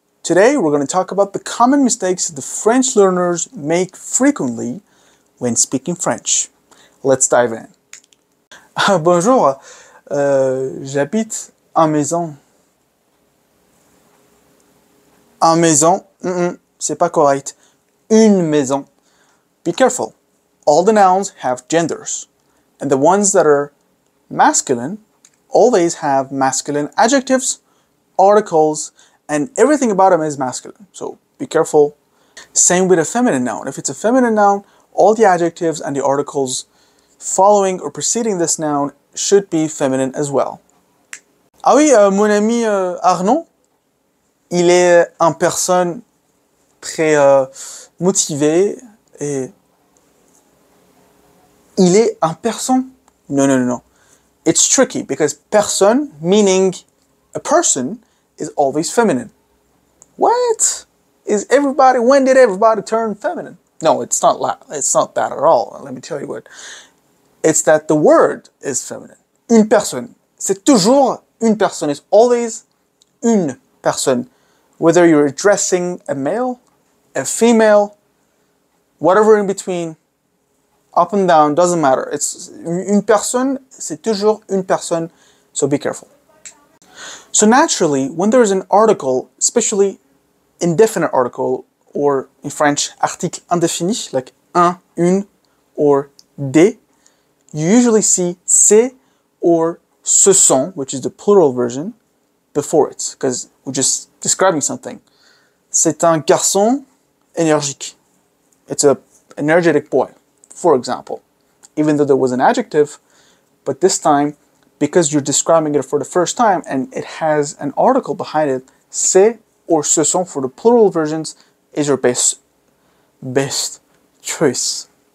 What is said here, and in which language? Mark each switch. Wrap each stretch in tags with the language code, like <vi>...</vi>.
<en>Today we're going to talk about the common mistakes that the French learners make frequently when speaking French. Let's dive in.</en> <fr>Bonjour, j'habite en maison. En maison, c'est pas correct. Une maison.</fr> <en>Be careful, all the nouns have genders, and the ones that are masculine always have masculine adjectives, articles, and everything about them is masculine, so be careful. Same with a feminine noun. If it's a feminine noun, all the adjectives and the articles following or preceding this noun should be feminine as well.</en> <fr>Ah oui, mon ami Arnaud, il est une personne très motivée et... Il est un person?</fr> <en>No. It's tricky because person, meaning a person, is always feminine. What? Is everybody, when did everybody turn feminine? No, it's not that at all. Let me tell you what. It's that the word is feminine.</en> <fr>Une personne. C'est toujours une personne.</fr> <en>It's always</en> <fr>une personne.</fr> <en>Whether you're addressing a male, a female, whatever in between, up and down, doesn't matter.</en> <fr>It's une personne, c'est toujours une personne,</fr> <en>so be careful. So naturally, when there is an article, especially indefinite article, or in French, article indéfini, like un, une, or des, you usually see c'est or ce sont, which is the plural version, before it, because we're just describing something.</en> <fr>C'est un garçon énergique.</fr> <en>It's an energetic boy, for example. Even though there was an adjective, but this time, because you're describing it for the first time and it has an article behind it, c'est or ce sont for the plural versions is your best choice.</en>